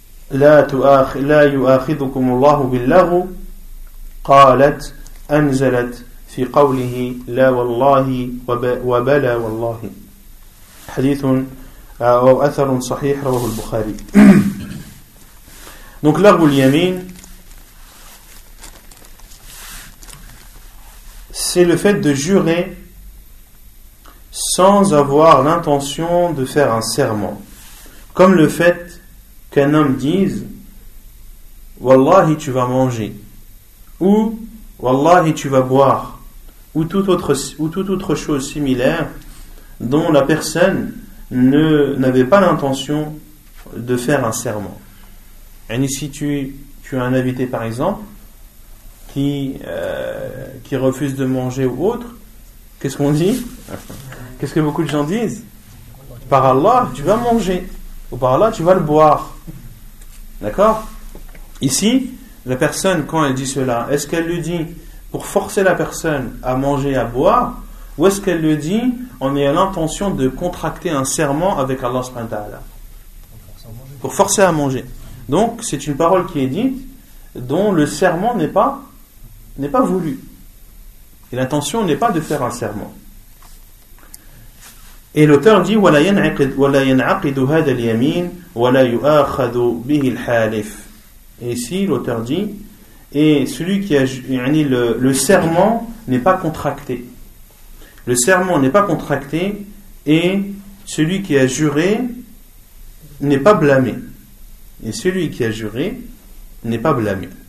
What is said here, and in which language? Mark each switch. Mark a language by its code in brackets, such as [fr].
[ar] لا يؤاخذكم الله باللغو قالت أنزلت في قوله لا والله وبلا والله حديث أو أثر صحيح رواه البخاري دونك لغو اليمين [fr] c'est le fait de jurer sans avoir l'intention de faire un serment. Comme le fait qu'un homme dise « Wallahi, tu vas manger » ou « Wallahi, tu vas boire » ou toute autre chose similaire dont la personne n'avait pas l'intention de faire un serment. Et si tu as un invité, par exemple, qui refuse de manger ou autre, qu'est-ce qu'on dit? Qu'est-ce que beaucoup de gens disent? Par Allah, tu vas manger. Ou par Allah, tu vas le boire. D'accord? Ici, la personne, quand elle dit cela, est-ce qu'elle le dit pour forcer la personne à manger, à boire, ou est-ce qu'elle le dit en ayant l'intention de contracter un serment avec Allah subhanahu wa ta'ala? Pour forcer à manger. Donc, c'est une parole qui est dite dont le serment n'est pas voulu. Et l'intention n'est pas de faire un serment. Et l'auteur dit [ar] وَلَا يَنْعَقِدُ هَذَا الْيَمِينَ وَلَا يُؤَخَذُ بِهِ الْحَالِفِ. [fr] Et ici, l'auteur dit et celui qui a le serment n'est pas contracté. Le serment n'est pas contracté et celui qui a juré n'est pas blâmé. Et celui qui a juré n'est pas blâmé.